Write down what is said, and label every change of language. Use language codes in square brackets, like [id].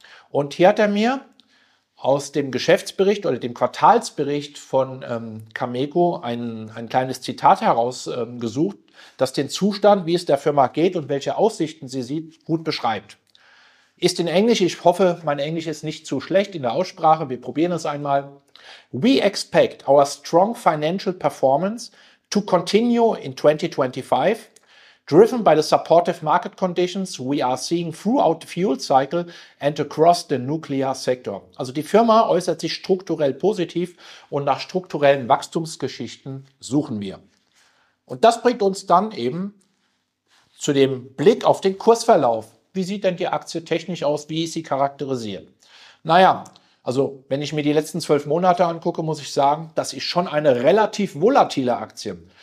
[de] Und hier hat er mir aus dem Geschäftsbericht oder dem Quartalsbericht von Cameco ein kleines Zitat herausgesucht, das den Zustand, wie es der Firma geht und welche Aussichten sie sieht, gut beschreibt. Ist in Englisch, ich hoffe, mein Englisch ist nicht zu schlecht in der Aussprache, wir probieren es einmal. [en] We expect our strong financial performance to continue in 2025, driven by the supportive market conditions we are seeing throughout the fuel cycle and across the nuclear sector. [de] Also die Firma äußert sich strukturell positiv und nach strukturellen Wachstumsgeschichten suchen wir. Und das bringt uns dann eben zu dem Blick auf den Kursverlauf. Wie sieht denn die Aktie technisch aus? Wie ist sie charakterisiert? Naja, also wenn ich mir die letzten 12 Monate angucke, muss ich sagen, das ist schon eine relativ volatile Aktie.